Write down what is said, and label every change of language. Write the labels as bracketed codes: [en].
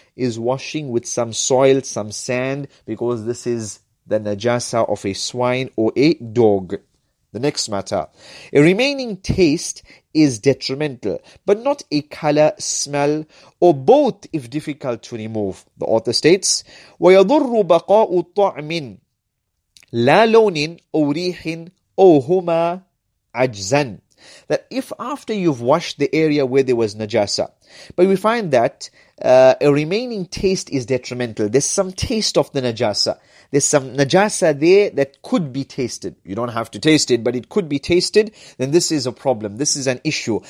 [en] Is washing with some soil, some sand, because this is the najasa of a swine or a dog. The next matter. A remaining taste is detrimental, but not a color, smell, or both if difficult to remove. The author states, [ar] وَيَضُرُّ بَقَاءُ طَعْمٍ لَا لَوْنٍ أَوْ رِيحٍ أَوْ هُمَا عَجْزًا. [en] That if after you've washed the area where there was najasa, but we find that a remaining taste is detrimental. There's some taste of the najasa. There's some najasa there that could be tasted. You don't have to taste it, but it could be tasted. Then this is a problem. This is an issue.